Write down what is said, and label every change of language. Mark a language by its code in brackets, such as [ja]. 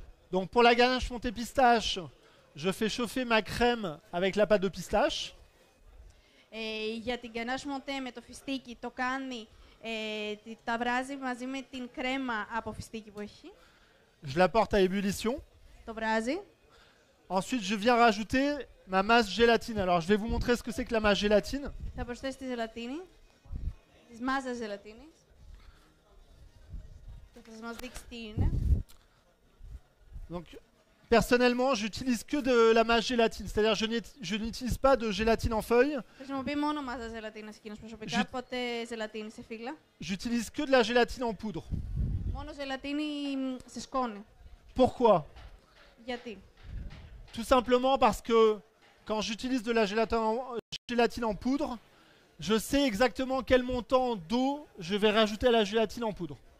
[fr] Donc pour la ganache montée pistache, je fais chauffer ma crème avec la pâte de pistache. [el] Για την ganache montée με το φιστίκι, το κάνει, τα βράζει μαζί με την κρέμα από φιστίκι που έχει. [fr] Je la porte à ébullition. [el] Το βράζει. [fr] Ensuite, je viens rajouter ma masse gélatine. Alors, je vais vous montrer ce que c'est que la masse gélatine. [el] Θα προσθέσω τη ζελατίνη. Τη μάζα ζελατίνη. Και θα μας δείξει τι είναι. [fr] Donc, personnellement, j'utilise que de la masse gélatine. C'est-à-dire, je n'utilise pas de gélatine en feuille. [el] Χρησιμοποιεί μόνο μάζα ζελατίνη, σκηνός προσωπικά, ποτέ ζελατίνη σε φύλλα. [fr] J'utilise que de la gélatine en poudre. [el] Μόνο ζελατίνη σε σκόνη. [fr] Pourquoi? [el] Γιατί? [fr] Tout simplement parce que quand j'utilise de la gélatine en poudre, je sais exactement quel montant d'eau je vais rajouter à la gélatine en poudre.